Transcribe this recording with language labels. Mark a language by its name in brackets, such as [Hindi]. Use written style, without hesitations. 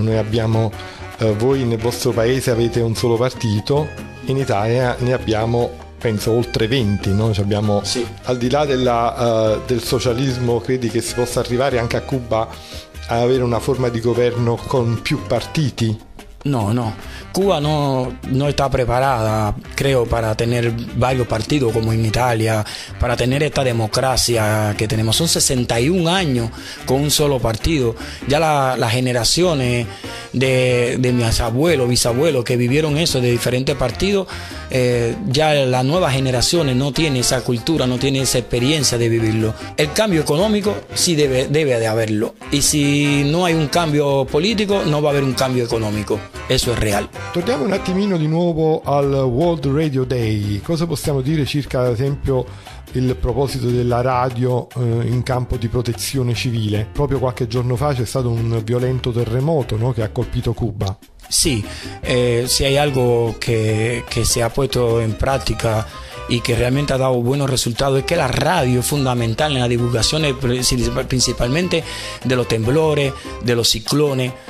[Italian] Noi abbiamo, voi nel vostro paese avete un solo partito, in Italia ne abbiamo penso oltre 20, no? Ci abbiamo, sì. Al di là del socialismo, credi che si possa arrivare anche a Cuba a avere una forma di governo con più partiti? [Spanish] No, Cuba no está preparada, creo, para tener varios partidos como en Italia, para tener esta democracia que tenemos. Son 61 años con un solo partido. Ya las generaciones de mis abuelos, bisabuelos que vivieron eso de diferentes partidos, ya las nuevas generaciones no tienen esa cultura, no tienen esa experiencia de vivirlo. El cambio económico sí debe de haberlo. Y si no hay un cambio político, no va a haber un cambio económico. Eso es real. [Italian] Torniamo un attimino di nuovo al World Radio Day. Cosa possiamo dire circa, ad esempio, il proposito della radio in campo di protezione civile? Proprio qualche giorno fa c'è stato un violento terremoto, no, che ha colpito Cuba. [Spanish] Sì, se hay algo che si ha puesto [Italian] in pratica [Spanish] y que realmente ha dado buenos resultados es que la radio es fundamental en la divulgación principalmente de los temblores, de los ciclones.